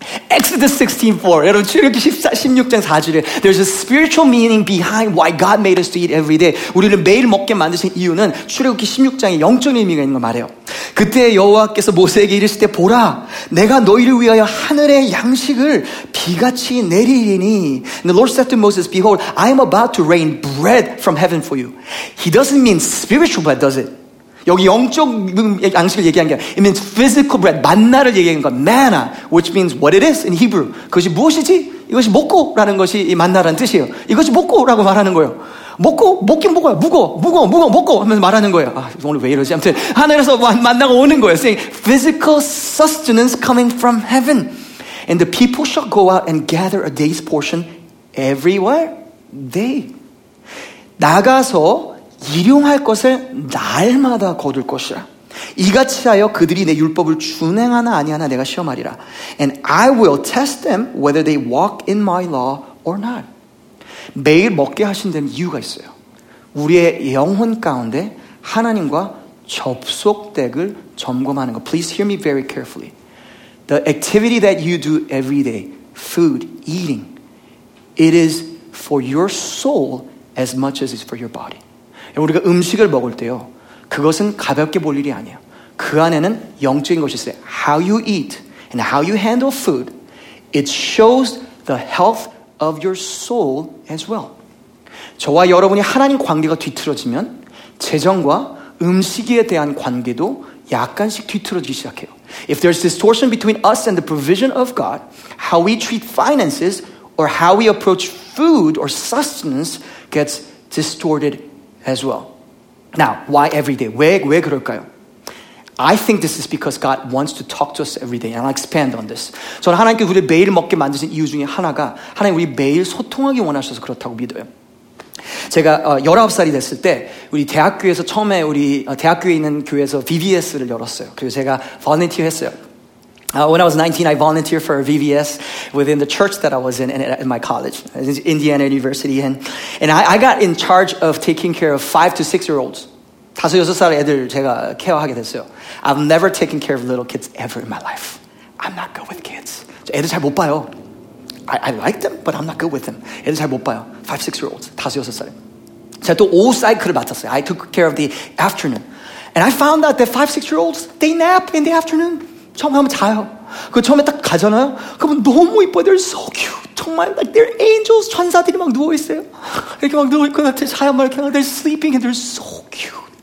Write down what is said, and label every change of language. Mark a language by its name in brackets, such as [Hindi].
[English] Exodus 16:4. [Korean] 여러분, 출애굽기 16장 4절에 [English] There's a spiritual meaning behind why God made us to eat every day. [Korean] 우리를 매일 먹게 만드신 이유는 출애굽기 16장에 영적인 의미가 있는 걸 말해요. 그때 여호와께서 모세에게 이르시되 보라, 내가 너희를 위하여 하늘의 양식을 비같이 내리리니. [English] And the Lord said to Moses, Behold, I am about to rain bread from heaven for you. He doesn't mean spiritual bread, does it? [Korean] 여기 영적 양식을 얘기한 게 아니라 [English] It means physical bread, [Korean] 만나를 얘기한 거 Manna, [English] which means what it is in Hebrew. [Korean] 그것이 무엇이지? 이것이 먹고라는 것이 이 만나라는 뜻이에요. 이것이 먹고라고 말하는 거예요. 먹고, 먹긴 먹어요. 무거워, 먹고 하면서 말하는 거예요. 아, 오늘 왜 이러지? 아무튼 하늘에서 만나가 오는 거예요. [English] Saying physical sustenance coming from heaven. And the people shall go out and gather a day's portion everywhere they. [Korean] 나가서 일용할 것을 날마다 거둘 것이라. 이같이 하여 그들이 내 율법을 준행하나 아니하나 내가 시험하리라. [English] And I will test them whether they walk in my law or not. [Korean] 매일 먹게 하신 데는 이유가 있어요. 우리의 영혼 가운데 하나님과 접속댁을 점검하는 거. [English] Please hear me very carefully. The activity that you do every day, food, eating, it is for your soul as much as it's for your body. [Korean] 우리가 음식을 먹을 때요, 그것은 가볍게 볼 일이 아니에요. 그 안에는 영적인 것이 있어요. [English] How you eat and how you handle food, it shows the health of your soul as well. [Korean] 저와 여러분이 하나님 관계가 뒤틀어지면 재정과 음식에 대한 관계도 약간씩 뒤틀어지기 시작해요. [English] If there's distortion between us and the provision of God, how we treat finances or how we approach food or sustenance gets distorted as well. Now, why every day? [Korean] 왜 그럴까요? [English] I think this is because God wants to talk to us every day. And I'll expand on this. [Korean] 저는 하나님께 우리 매일 먹게 만드신 이유 중에 하나가 하나님 우리 매일 소통하기 원하셔서 그렇다고 믿어요. 제가 19살이 됐을 때 우리 대학교에서 처음에 우리 대학교에 있는 교회에서 VBS를 열었어요. 그리고 제가 volunteer 했어요. [English] When I was 19, I volunteered for a VBS within the church that I was in my college, Indiana University. And I got in charge of taking care of 5 to 6-year-olds. [Korean] 5, 6살 애들 제가 케어하게 됐어요. [English] I've never taken care of little kids ever in my life. I'm not good with kids. [Korean] 애들 잘 못 봐요. [English] I like them, but I'm not good with them. [Korean] 애들 잘 못 봐요. [English] 5, 6-year-olds. [Korean] 5, 6살. 제가 또 오후 사이클을 맡았어요. [English] I took care of the afternoon. And I found out that 5, 6-year-olds, they nap in the afternoon. [Korean] 처음에 하면 자요. 그 처음에 딱 가잖아요. 그러면 너무 이뻐요. [English] They're so cute. [Korean] 정말 [English] like they're angels. [Korean] 천사들이 막 누워있어요. 이렇게 막 누워있고 자요. 막 이렇게 막 [English] they're sleeping and they're so cute.